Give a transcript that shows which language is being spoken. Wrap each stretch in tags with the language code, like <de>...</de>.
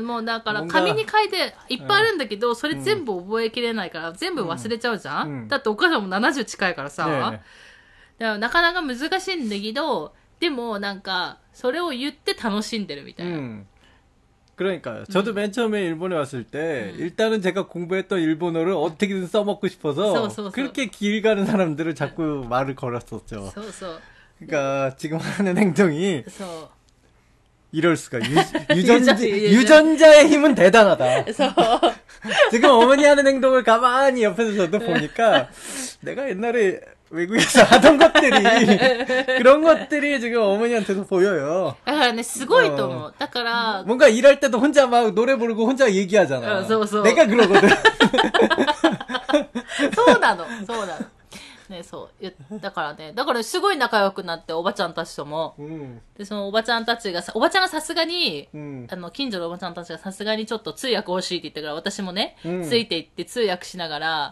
<ja>もうだから、紙に書いていっぱいあるんだけど、それ全部覚えきれないから、全部忘れちゃうじゃん、うん、だってお母さんも70近いからさ。ね、だからなかなか難しいんだけどでもなんかそれを言って楽しんでるみたいな、</ja> <ko>うん、그러니까요저도맨처음에일본에왔을때、 응、 일단은제가공부했던일본어를어떻게든써먹고싶어서 그렇게길가는사람들을자꾸말을걸었었죠 그러니까지금하는행동이 이럴 수가. 유전자의 힘은 대단하다. 그래서 지금 어머니 하는 행동을 가만히 옆에서 저도 보니까 내가 옛날에 외국에서 하던 것들이 그런 것들이 지금 어머니한테도 보여요. 근데</ko> <ja>すごいと思う.</ja> <ko>그러니까 뭔가 일할 때도 혼자 막 노래 부르고 혼자 얘기하잖아. 그래서 내가 그러거든.</ko> <ja>そうなの.そうなの. ね、そうだからね、だからすごい仲良くなっておばちゃんたちとも、うん、でそのおばちゃんたちがおばちゃんがさすがに、うん、あの近所のおばちゃんたちがさすがにちょっと通訳欲しいって言ったから私もね、うん、ついて行って通訳しながら、</ja>